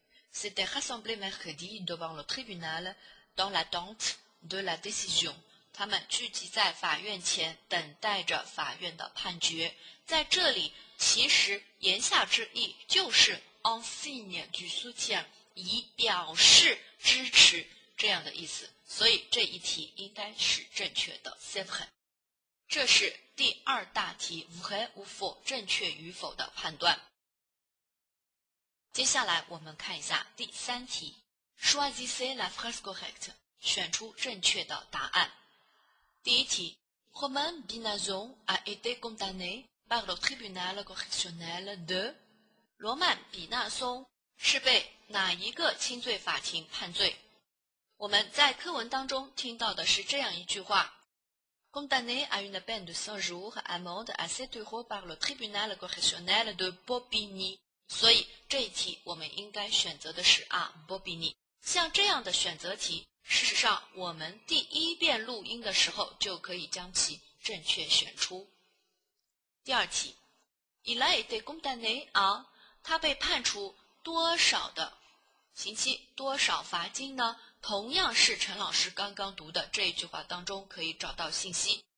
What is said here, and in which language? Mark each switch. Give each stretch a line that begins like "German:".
French: C'était rassemblé mercredi devant le tribunal dans l'attente de la décision.
Chinese: 他们聚集在法院前等待着法院的判决。在这里其实言下之意就是
French: en signe du soutien,
Chinese: 以表示支持这样的意思，所以这一题应该是正确的 7. 这是第二大题
French: vrai ou faux
Chinese: 正确与否的判断。接下来我们看一下第三题
French: Choisissez la phrase correcte
Chinese: 选出正确的答案。第一题
French: Romain Binazon a été condamné par le tribunal correctionnel de
Chinese: 罗曼·比纳松是被哪一个轻罪法庭判罪？我们在课文当中听到的是这样一句话
French: Condamné à une peine de 100 jours amende à 7 euros par le tribunal correctionnel de Bobigny.
Chinese: 所以这一题我们应该选择的是 Bobigny. 像这样的选择题，事实上我们第一遍录音的时候就可以将其正确选出。第二题
French: Il a été condamné à
Chinese: 他被判处多少的刑期，多少罚金呢？同样是陈老师刚刚读的这一句话当中可以找到信息。